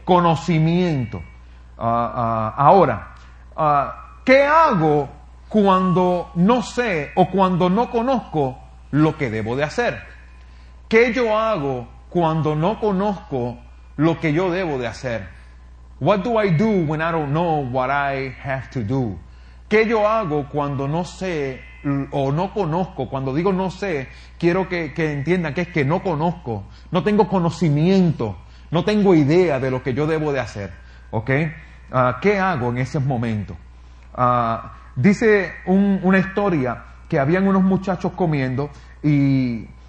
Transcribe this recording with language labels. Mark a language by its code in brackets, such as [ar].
[es] Conocimiento. Ahora, ¿qué hago cuando no sé o cuando no conozco lo que debo de hacer? ¿Qué yo hago cuando no conozco lo que yo debo de hacer? [en] What do I do when I don't know what I have to do? [es] ¿Qué yo hago cuando no sé o no conozco? Cuando digo no sé, quiero que entiendan que es que no conozco, no tengo conocimiento, no tengo idea de lo que yo debo de hacer, ¿ok? ¿Qué hago en ese momento? Dice una historia que habían unos muchachos comiendo y,